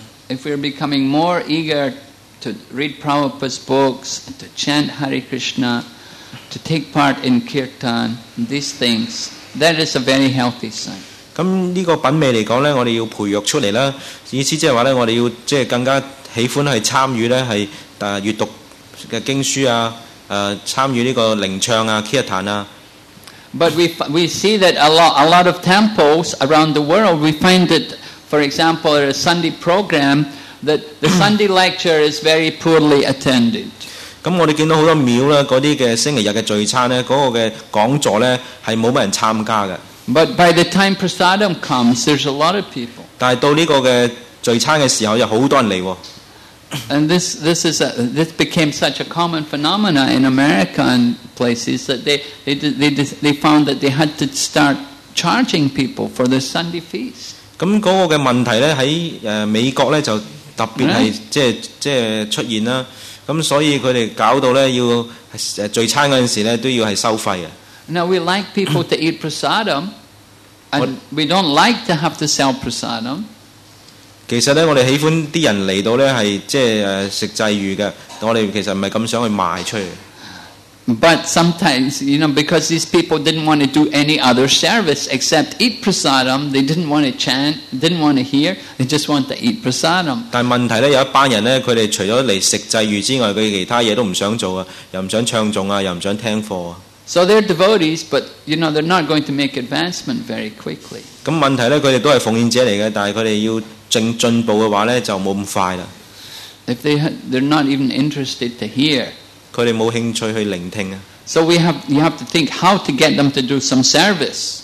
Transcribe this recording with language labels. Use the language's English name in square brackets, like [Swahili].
[English] If we're becoming more eager to read Prabhupada's books, to chant Hare Krishna, to take part in kirtan, these things, that is a very healthy sign. [Cantonese] 咁呢個品味嚟講咧，我哋要培育出嚟啦。意思即係話咧，我哋要即係更加喜歡去參與咧，係閱讀嘅經書啊，參與呢個靈唱啊、kirtan 啊。 [English] But we see that a lot of temples around the world, we find that, for example, at a Sunday program, that the Sunday lecture is very poorly attended. [Cantonese] 咁我哋見到好多廟啦，嗰啲嘅星期日嘅聚餐咧，嗰個嘅講座咧係冇乜人參加嘅。 [English] But by the time prasadam comes, there's a lot of people. [Cantonese] 但係到呢個嘅聚餐嘅時候，有好多人嚟喎。 [English] And this became such a common phenomena in America and places that they found that they had to start charging people for the Sunday feast. [Cantonese] 咁嗰個嘅問題咧喺美國咧就特別係即係出現啦。咁所以佢哋搞到咧，要聚餐嗰陣時咧，都要係收費嘅。 [English] Now we like people to eat prasadam, and we don't like to have to sell prasadam. [Cantonese] 其實咧，我哋喜歡啲人嚟到咧，係即係食祭遇嘅。我哋其實唔係咁想去賣出去。 [English] But sometimes, you know, because these people didn't want to do any other service except eat prasadam, they didn't want to chant, didn't want to hear, they just want to eat prasadam. [Cantonese] 但問題咧，有一班人咧，佢哋除咗嚟食祭遇之外，佢其他嘢都唔想做啊，又唔想唱誦啊，又唔想聽課啊。 [English] So they're devotees, but you know they're not going to make advancement very quickly. [Cantonese] 咁問題咧，佢哋都係奉獻者嚟嘅，但係佢哋要進步嘅話咧，就冇咁快啦。 [English] If they're not even interested to hear. [Cantonese] 佢哋冇興趣去聆聽啊。 [English] So you have to think how to get them to do some service.